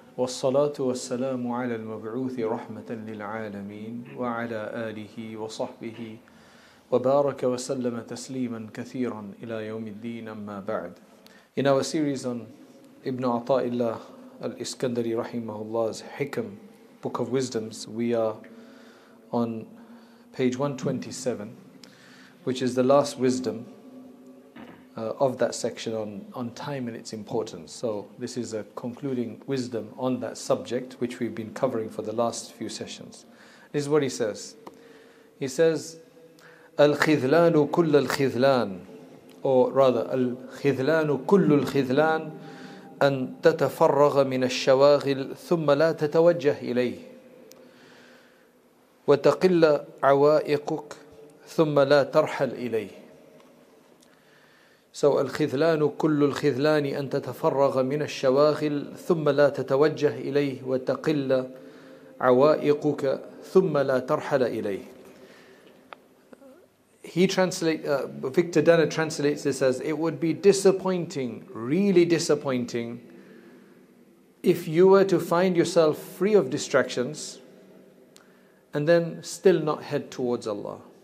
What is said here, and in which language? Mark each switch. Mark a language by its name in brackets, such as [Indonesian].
[Arabic] والصلاة والسلام على المبعوث رحمة للعالمين وعلى آله وصحبه وبارك وسلم تسليما كثيرا إلى يوم الدين أما بعد. [English] In our series on Ibn Ata'illah al-Iskandari rahimahullah's Hikam, Book of Wisdoms, we are on page 127, which is the last wisdom of that section on time and its importance. So this is a concluding wisdom on that subject, which we've been covering for the last few sessions. [Arabic] This is what he says. [English] He says, [Arabic] Al-khidlanu kullu al-khidlan, [English] or rather, [Arabic] Al-khidlanu kullu al-khidlan, an tatafarraga min ash-shawaghil, thumma la tatawajjah ilayh, wa taqilla awa'iquk, thumma la tarhal ilayh. So الخذلان كل الخذلان أن تتفرغ من الشواغل ثم لا تتوجه إليه وتقل عوائقك ثم لا ترحل إليه. [English] He translates, Victor Dana translates this as, it would be disappointing, really disappointing, if you were to find yourself free of distractions and then still not head towards Allah.